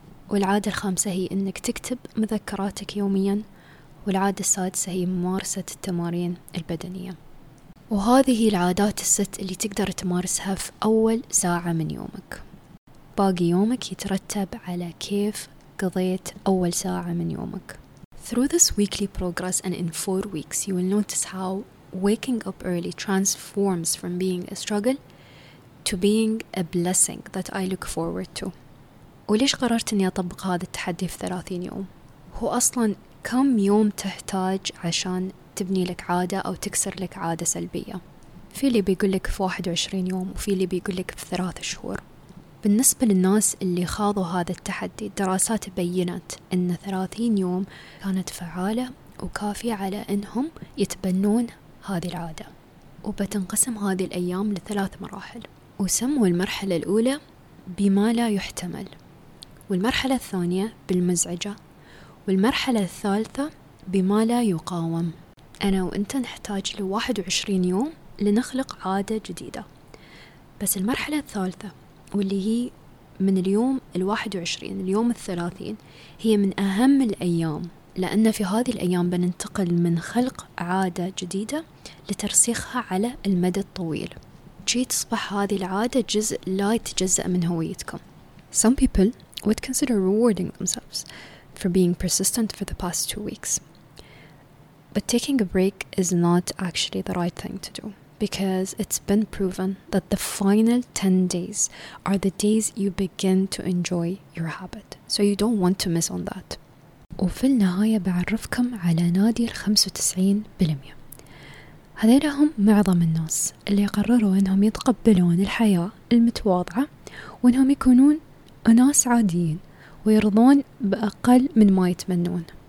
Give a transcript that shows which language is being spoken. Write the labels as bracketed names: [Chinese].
[Arabic] والعادة الخامسة هي أنك تكتب مذكراتك يوميا. والعادة السادسة هي ممارسة التمارين البدنية. وهذه هي العادات الست اللي تقدر تمارسها في أول ساعة من يومك. باقي يومك يترتب على كيف قضيت أول ساعة من يومك. [English] Through this weekly progress and in 4 weeks, you will notice how waking up early transforms from being a struggle to being a blessing that I look forward to. [Arabic] وليش قررت أني أطبق هذا التحدي في 30 يوم؟ هو أصلاً كم يوم تحتاج عشان تبني لك عادة أو تكسر لك عادة سلبية؟ في اللي بيقول لك في 21 يوم وفي اللي بيقول لك في 3 شهور. بالنسبة للناس اللي خاضوا هذا التحدي، دراسات بينت أن 30 يوم كانت فعالة وكافية على أنهم يتبنون هذه العادة. وبتنقسم هذه الأيام ل3 مراحل، وسموا المرحلة الأولى بما لا يحتمل، والمرحلة الثانية بالمزعجة، والمرحلة الثالثة بما لا يقاوم. أنا وأنت نحتاج ل21 يوم لنخلق عادة جديدة، بس المرحلة الثالثة واللي هي من اليوم 21 اليوم 30 هي من أهم الأيام، لأن في هذه الأيام بننتقل من خلق عادة جديدة لترسيخها على المدى الطويل. شي تصبح هذه العادة جزء لا يتجزأ من هويتكم. [English] Some people would consider rewarding themselves for being persistent for the past 2 weeks. But taking a break is not actually the right thing to do, because it's been proven that the final 10 days are the days you begin to enjoy your habit. So you don't want to miss on that. [Arabic] وفي النهاية بعرفكم على نادي 95%. هذين هم معظم الناس اللي قرروا أنهم يتقبلون الحياة المتواضعة وأنهم يكونون أناس عاديين ويرضون بأقل من ما يتمنون.